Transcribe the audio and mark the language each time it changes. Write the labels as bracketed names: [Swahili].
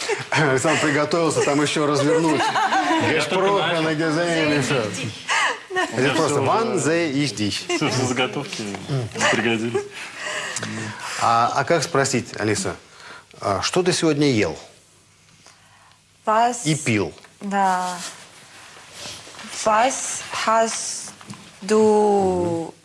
[Russian] Александр приготовился там еще развернуть. [German] Gesprochen und gesehen. [Russian] Это просто [German] wann sehe ich dich? [Russian] Все, заготовки пригодились. А как спросить, Алиса, что ты сегодня ел? [German] Was? [Russian] И пил. [German] Да. Was hast du